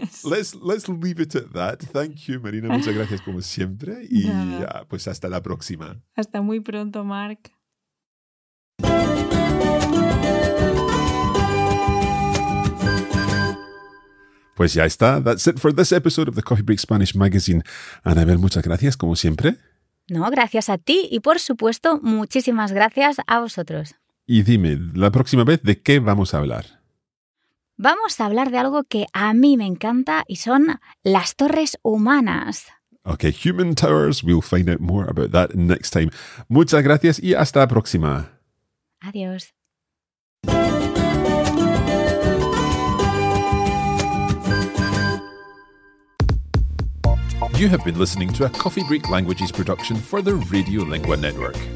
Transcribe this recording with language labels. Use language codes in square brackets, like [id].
[en] Let's leave it at that. Thank you, Marina. [es] Muchas gracias como siempre. Y pues hasta la próxima. Hasta muy pronto, Mark. Pues ya está. [en] That's it for this episode of the Coffee Break Spanish Magazine. [es] Anabel, muchas gracias, como siempre. No, gracias a ti y, por supuesto, muchísimas gracias a vosotros. Y dime, la próxima vez, ¿de qué vamos a hablar? Vamos a hablar de algo que a mí me encanta y son las torres humanas. [en] Okay, human towers. We'll find out more about that next time. [es] Muchas gracias y hasta la próxima. Adiós. [en] You have been listening to a Coffee Break Languages production for the Radiolingua Network.